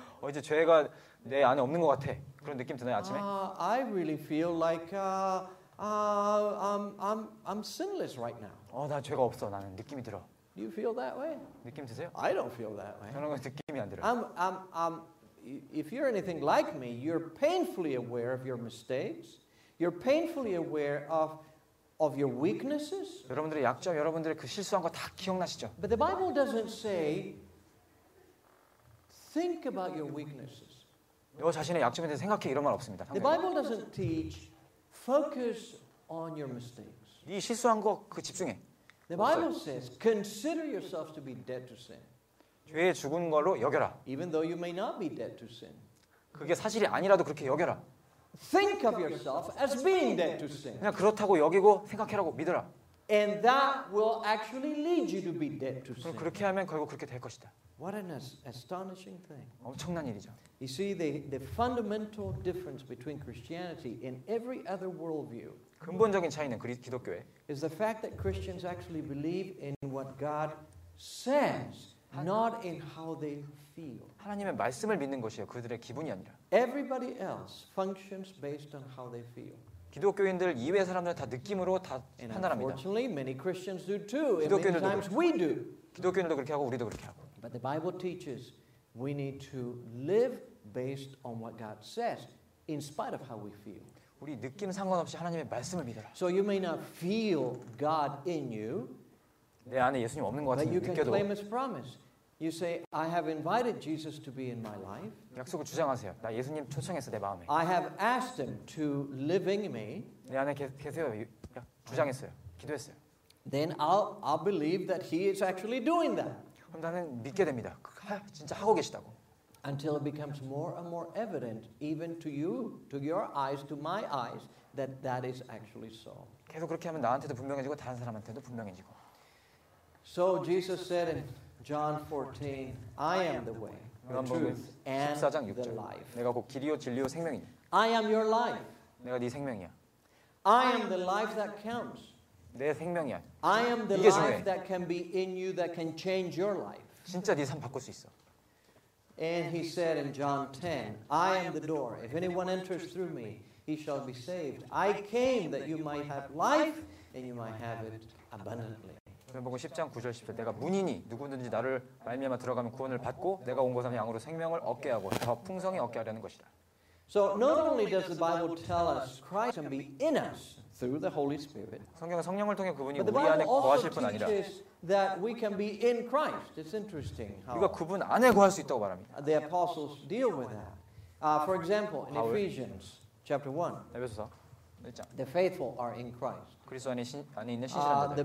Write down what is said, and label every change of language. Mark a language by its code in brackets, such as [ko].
[ko] 어제 죄가 내 안에 없는 것 같아. 그런 느낌 드나요 아침에? [en] I really feel like I'm sinless right now. [ko] 나 죄가 없어. 나는 느낌이 들어. [en] Do you feel that way? [ko] 느낌 드세요? [en] I don't feel that way. [ko] 저는 느낌이 안 들어요. [en] If you're anything like me, you're painfully aware of your mistakes. You're painfully aware of your weaknesses. [ko] 여러분들의 약점, 여러분들의 그 실수한 거 다 기억나시죠? [en] But the Bible doesn't say think about your weaknesses. [ko] 너 자신의 약점에 대해 생각해 이런 말 없습니다. [en] The Bible doesn't teach focus on your mistakes. [ko] 네 실수한 거 그 집중해. [en] The Bible says consider yourself to be dead to sin. [ko] 죄에 죽은 걸로 여겨라. [en] Even though you may not be dead to sin. [ko] 그게 사실이 아니라도 그렇게 여겨라. [en] Think of yourself as being dead to sin. [ko] 그냥 그렇다고 여기고 생각해라고 믿어라. [en] And that will actually lead you to be dead to sin. [ko] 그렇게 하면 결국 그렇게 될 것이다. [en] What an astonishing thing. [ko] 엄청난 일이죠. [en] You see the fundamental difference between Christianity and every other worldview. [ko] 근본적인 차이는 기독교에 [en] is the fact that Christians actually believe in what God says. Not in how they feel. [ko] 하나님의 말씀을 믿는 것이요 그들의 기분이 아니라. [en] Everybody else functions based on how they feel. [ko] 기독교인들 이외의 사람들은 다 느낌으로 다 판단합니다. [en] Unfortunately, many Christians do too. And many times we do. [ko] 기독교인들도 그렇게 하고 우리도 그렇게 하고. [en] But the Bible teaches we need to live based on what God says, in spite of how we feel. [ko] 우리 느낌 상관없이 하나님의 말씀을 믿어라. [en] So you may not feel God in you. [ko] 내 안에 예수님 없는 것 같은데 느껴도. [en] But you can claim His promise. You say, I have invited Jesus to be in my life. [ko] 약속을 주장하세요. 나 예수님 초청했어 내 마음에. [en] I have asked Him to live in me. [ko] 내 안에 계세요. 주장했어요. 기도했어요. [en] Then I'll believe that He is actually doing that. [ko] 그럼 나는 믿게 됩니다. 진짜 하고 계시다고. [en] Until it becomes more and more evident, even to you, to your eyes, to my eyes, that that is actually so. [ko] 계속 그렇게 하면 나한테도 분명해지고 다른 사람한테도 분명해지고. [en] So Jesus said in John 14, I am the way, the truth, and the life. [ko] 내가 곧 길이요 진리요 생명이니. [en] I am your life. [ko] 내가 네 생명이야. [en] I am the life that counts. [ko] 내 생명이야. [en] I am the life that can be in you that can change your life. [ko] 진짜 네 삶 바꿀 수 있어. [en] And he said in John 10, I am the door. If anyone enters through me, he shall be saved. I came that you might have life and you might have it abundantly. [ko] 요한복음 10장 9절 10절 내가 문이니 누구든지 나를 말미암아 들어가면 구원을 받고 내가 온 것은 양으로 생명을 얻게 하고 더 풍성히 얻게 하려는 것이다. [en] So not only does the Bible tell us Christ can be in us through the Holy Spirit. [ko] 성경은 성령을 통해 그분이 우리 안에 거하실 뿐 아니라 [en] that we can be in Christ. It's interesting how [ko] 우리가 그분 안에 거할 수 있다고 말합니다. [en] The apostles deal with that. For example, in Ephesians chapter 1. [ko] 에베소서 [en] The faithful are in Christ. [ko] 그리스도 안에 안에 있는 신실한 자들.